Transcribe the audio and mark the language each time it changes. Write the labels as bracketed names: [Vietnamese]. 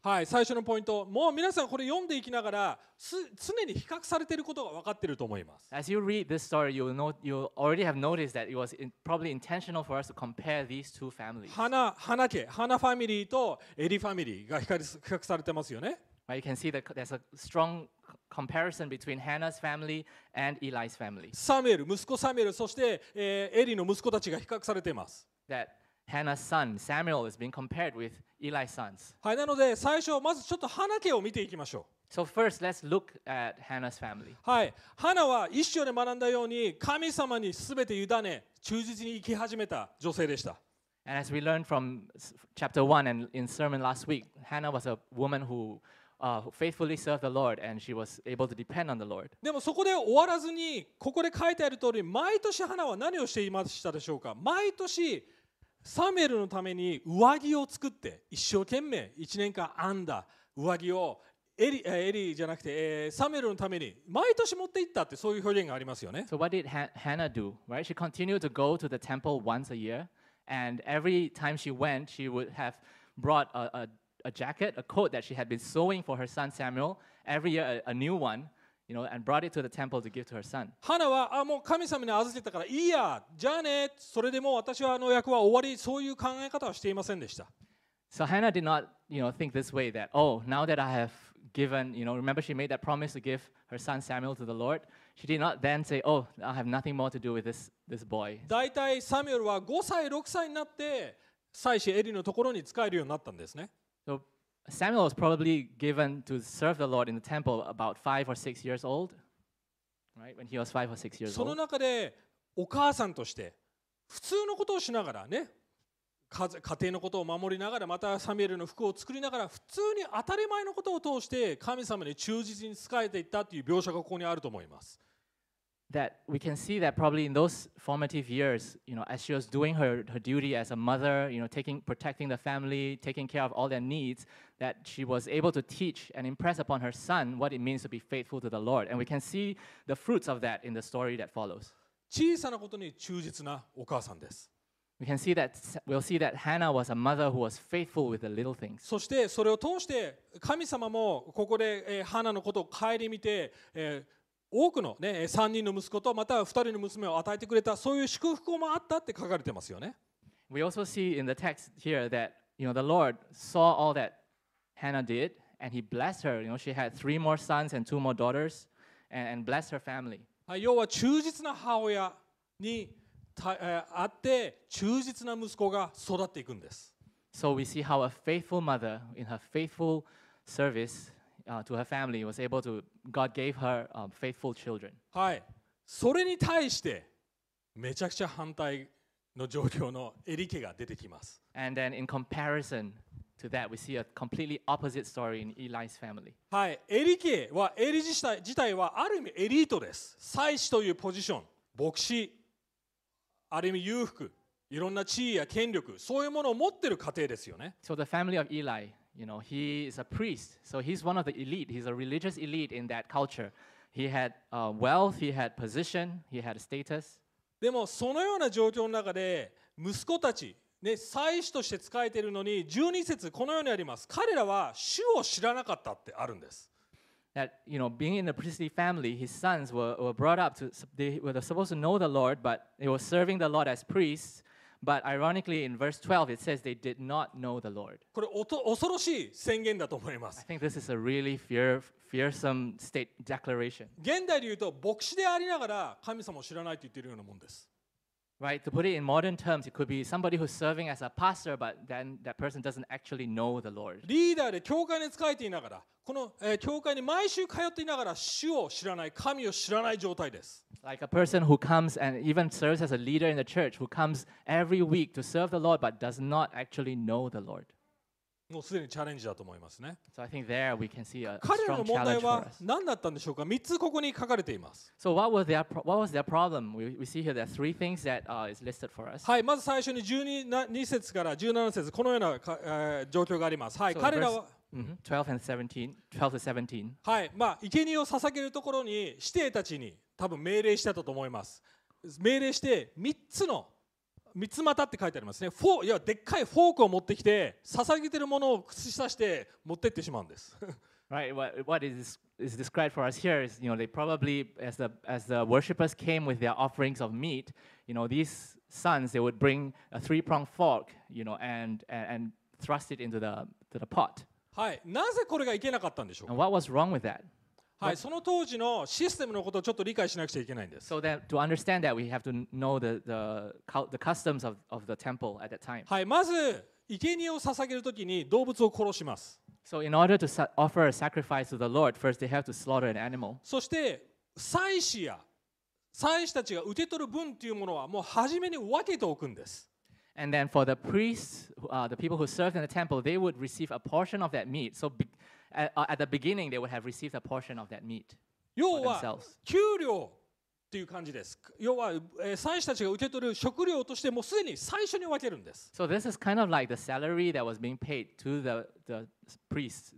[Japanese] はい、最初のポイント、もう皆さんこれ読んでいきながら、常に比較されていることが分かっていると思います。 [English] As you read this story, you'll already have noticed that it was probably intentional for us to compare these two families. [Japanese] Hannah 家、 [English] Hannah family [Japanese] と Eli family が比較されてますよね。 [English] But you can see that there's a strong comparison between Hannah's family and Eli's family. [Japanese] Samuel, 息子 Samuel, そして、Eli の息子たちが比較されています。 [English] That Hannah's son Samuel is being compared with Eli's sons. [Japanese] はい、なので最初まずちょっと Hannah 家を見ていきましょう。 [English] So first, let's look at Hannah's family. [Japanese] はい、Hannah は一章で学んだように神様にすべて委ね、忠実に生き始めた女性でした。 [English] And as we learned from chapter 1 and in sermon last week, Hannah was a woman who faithfully served the Lord and she was able to depend on the Lord. [Japanese] でもそこで終わらずに、ここで書いてある通り、毎年ハナは何をしていましたでしょうか。毎年サムエルのために上着を作って、一生懸命1年間編んだ上着をエリじゃなくて、サムエルのために毎年持っていったって、そういう表現がありますよね。 [English] So what did Hannah do? Right? She continued to go to the temple once a year and every time she went, she would have brought a jacket, a coat that she had been sewing for her son Samuel every year, a new one, you know, and brought it to the temple to give to her son. [Japanese] Hannah は、あ、もう神様に預けたからいいや、じゃあね、それでもう私はあの役は終わり、そういう考え方はしていませんでした。 [English] So Hannah did not, you know, think this way that, oh, now that I have given, you know, remember she made that promise to give her son Samuel to the Lord. She did not then say, oh, I have nothing more to do with this boy. [Japanese] だいたいサミュエルは5歳、6歳になって祭司エリのところに使えるようになったんですね。 [English] So Samuel was probably given to serve the Lord in the temple about 5 or 6 years old. Right? When he was 5 or 6 years old. [Japanese] その中でお母さんとして普通のことをしながらね、家庭のことを守りながら、またサミュエルの服を作りながら、普通に当たり前のことを通して神様に忠実に仕えていったという描写がここにあると思います。 [English] That we can see that probably in those formative years, you know, as she was doing her duty as a mother, you know, protecting the family, taking care of all their needs, that she was able to teach and impress upon her son what it means to be faithful to the Lord. And we can see the fruits of that in the story that follows. [Japanese] 小さなことに忠実なお母さんです。 [English] We can see that, we'll see that Hannah was a mother who was faithful with the little things. [Japanese] そしてそれを通して神様もここで Hannah のことを顧みて、多くの、ね、3人の息子とまた2人の娘を与えてくれた、そういう祝福もあったって書かれてますよね。 [English] We also see in the text here that, you know, the Lord saw all that Hannah did and he blessed her. You know, she had 3 more sons and 2 more daughters and blessed her family. [Japanese] 要は忠実な母親にあって忠実な息子が育っていくんです。 [English] So we see how a faithful mother in her faithful service to her family was able to, God gave her faithful children. [Japanese] はい。それに対してめちゃくちゃ反対の状況のエリ家が出てきます。 [English] And then in comparison to that, we see a completely opposite story in Eli's family. [Japanese] はい。エリ家は、エリ自体はある意味エリートです。祭司というポジション、牧師。ある意味裕福、いろんな地位や権力、そういうものを持っている家庭ですよね。 [English] So the family of Eli, you know, he is a priest. So he's one of the elite. He's a religious elite in that culture. He had wealth, he had position, he had status. [Japanese] でもそのような状況の中で息子たち、ね、祭司として使えているのに12節このようにあります。彼らは主を知らなかったってあるんです。 [English] That, you know, being in a priestly family, his sons were brought up to, they were supposed to know the Lord, but they were serving the Lord as priests. But ironically, in verse 12, it says they did not know the Lord. [Japanese] これ恐ろしい宣言だと思います。 [English] I think this is a really fearsome state declaration. [Japanese] 現代で言うと、牧師でありながら神様を知らないと言っているようなもんです。 [English] Right, to put it in modern terms, it could be somebody who's serving as a pastor, but then that person doesn't actually know the Lord. [Japanese] リーダーで教会に仕えていながら、この教会に毎週通っていながら、主を知らない、神を知らない状態です。 [English] Like a person who comes and even serves as a leader in the church, who comes every week to serve the Lord, but does not actually know the Lord. [Japanese] もうすでにチャレンジだと思いますね。 [English] So I think there we can see a strong challenge for us. [Japanese] 彼らの問題は何だったんでしょうか ?3 つここに書かれています。 [English] So what was their problem? We see here there are 3 things that is listed for us. [Japanese] はい、まず最初に12節から17節、このような状況があります。はい、彼らは [English] 12 to 17. [Japanese] はい、まあ、生贄を捧げるところに、子弟たちに多分命令したと思います。命令して三つ股って書いてありますね。フォー、いや、でっかいフォークを持ってきて、捧げてるものを串刺して持って行ってしまうんです。 [English] Right, what is described for us here is, you know, they probably, as the worshippers came with their offerings of meat, you know, these sons, they would bring a three-pronged fork, you know, and thrust it into the pot. [Japanese] はい、なぜこれがいけなかったんでしょうか。 [English] And what was wrong with that? [Japanese] はい、その当時のシステムのことをちょっと理解しなくちゃいけないんです。 [English] So that to understand that we have to know the customs of the temple at that time. [Japanese] はい、まず生贄を捧げるときに動物を殺します。 [English] So in order to offer a sacrifice to the Lord, first they have to slaughter an animal. [Japanese] そして祭司や祭司たちが受け取る分というものはもう初めに分けておくんです。 [English] And then for the priests, the people who served in the temple, they would receive a portion of that meat. So at the beginning, they would have received a portion of that meat for themselves. [Japanese] 要は給料っていう感じです。要は祭司たちが受け取る食料としてもうすでに最初に分けるんです。 [English] So this is kind of like the salary that was being paid to the priests.